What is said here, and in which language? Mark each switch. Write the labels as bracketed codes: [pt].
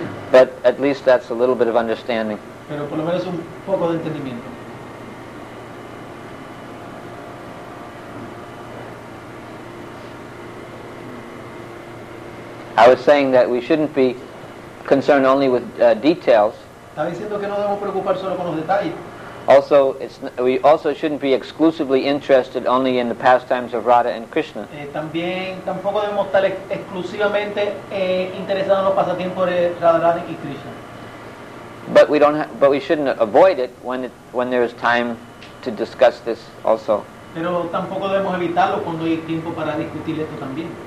[en] But at least that's a little bit of understanding. [es] Pero por lo menos un poco de entendimiento. [en] I was saying that we shouldn't be concerned only with details. [es] Está diciendo que no debemos preocupar solo con los detalles. [en] Also, we also shouldn't be exclusively interested only in the pastimes of Radha and Krishna. [es] También tampoco debemos estar exclusivamente interesados en los pasatiempos de Radharani y Krishna. [en] But we don't. But we shouldn't avoid it when there is time to discuss this also. [es] Pero tampoco debemos evitarlo cuando hay tiempo para discutir esto también.